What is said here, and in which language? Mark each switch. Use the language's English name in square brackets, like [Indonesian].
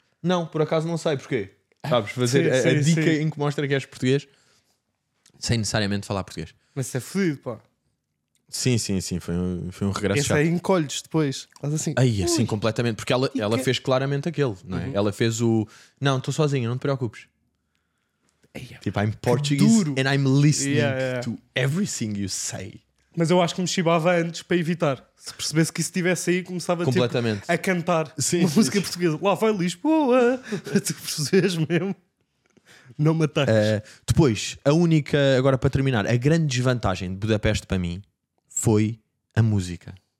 [Portuguese] Não, por acaso não sei, porquê? Sabes, fazer a dica em que mostra que és português sem necessariamente falar português. Mas isso é fodido, pá. Sim, foi um regresso chato. Esse aí encolhes depois. Assim, aí, assim, completamente. Porque ela fez claramente aquele, não é? Uhum. Ela fez o... Não, estou sozinha, não te preocupes. [English] Tipo, I'm Portuguese and I'm listening to everything you say. [Portuguese] Mas eu acho que me chibava antes para evitar. Se percebesse que isso estivesse aí, começava completamente. Tipo, a cantar uma música portuguesa. Lá vai Lisboa! Tu percebes mesmo? Não me ataques. Depois, a única, agora para terminar, a grande desvantagem de Budapeste para mim foi a música.